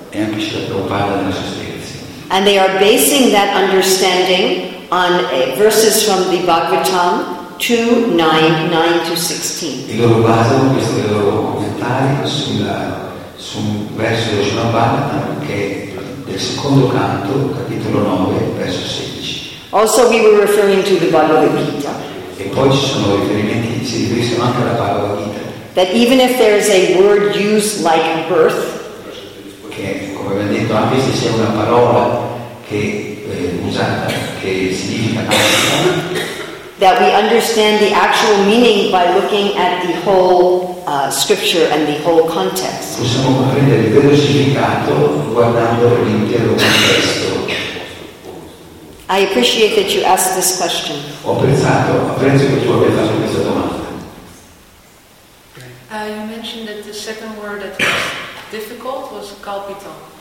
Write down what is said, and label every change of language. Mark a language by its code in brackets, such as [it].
[it] E anche Srila Prabhupada nella sua spiegazione. [en] And they are basing that understanding on verses from the Bhagavatam 2:9-16. [it] E loro basano questi loro commentari su un verso del Srimad-Bhagavatam che del secondo canto, capitolo 9, verso 16. [en] Also we were referring to the Bhagavad Gita. [it] E poi ci sono riferimenti, si riferiscono anche alla Bhagavad Gita. [en] That even if there is a word used like birth, [it] che come abbiamo detto, anche se sia una parola che usata, che significa nascita, [en] that we understand the actual meaning by looking at the whole scripture and the whole context. [it] Possiamo comprendere il vero significato guardando l'intero contesto. [en] I appreciate that you asked this question. [it] Apprezzo che tu abbia fatto questa domanda. [en] You mentioned that the second word that was difficult was kalpitam.